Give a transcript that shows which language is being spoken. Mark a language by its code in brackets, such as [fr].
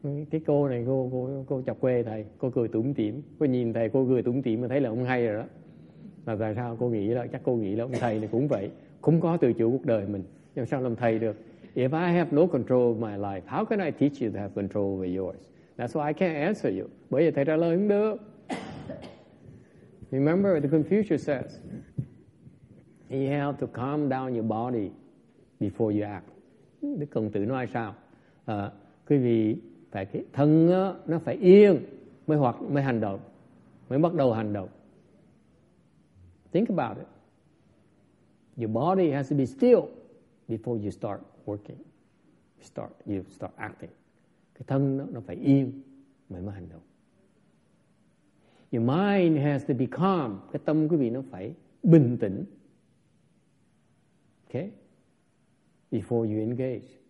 [vi] Cái cô này cô chọc quê thầy, cô cười tủm tỉm, cô nhìn thầy cô cười tủm tỉm mà thấy là ông hay rồi đó. Là tại sao cô nghĩ là chắc cô nghĩ là ông thầy này cũng vậy, không có tự chủ cuộc đời mình, làm sao làm thầy được? [en] If I have no control of my life, how can I teach you to have control over yours? That's why I can't answer you. [vi] Bởi vì thầy trả lời không được. [en] Remember what the Confucius says, you have to calm down your body before you act. [vi] Đức Công Tử nói sao? Quý vị phải cái thân nó phải yên mới hoặc mới hành động, mới bắt đầu hành động. [en] Think about it. Your body has to be still before you start working. You start acting. [vi] Cái thân nó phải yên mới hành động. [en] Your mind has to be calm. [vi] Cái tâm quý vị nó phải bình tĩnh. [en] Okay? Before you engage.